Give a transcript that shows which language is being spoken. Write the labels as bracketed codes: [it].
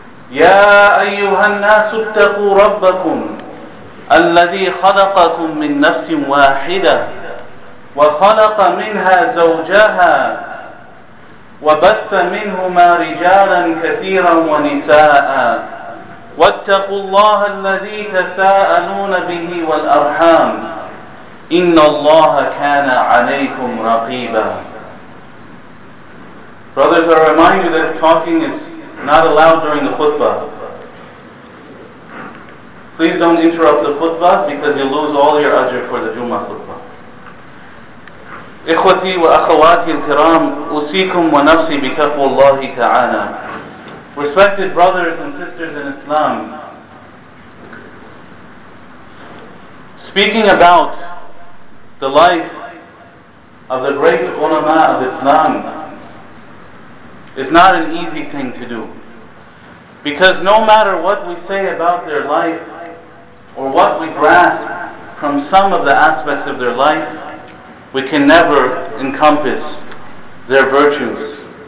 [ar] يا أيها الناس اتقوا ربكم الذي خلقكم من نفس واحدة وخلق منها زوجها وبث منهما رجالا كثيرا ونساء، واتقوا الله الذي تساءلون به والأرحام، إن الله كان عليكم رقيبا. [en] Brothers, I remind you that talking is not allowed during the khutbah. Please don't interrupt the khutbah because you lose all your ajr for the Jummah khutbah. [ar] إخوتي وأخواتي الكرام، أوصيكم ونفسي بتقوى الله تعالى. [en] Respected brothers and sisters in Islam, speaking about the life of the great ulama of Islam is not an easy thing to do, because no matter what we say about their life or what we grasp from some of the aspects of their life, we can never encompass their virtues.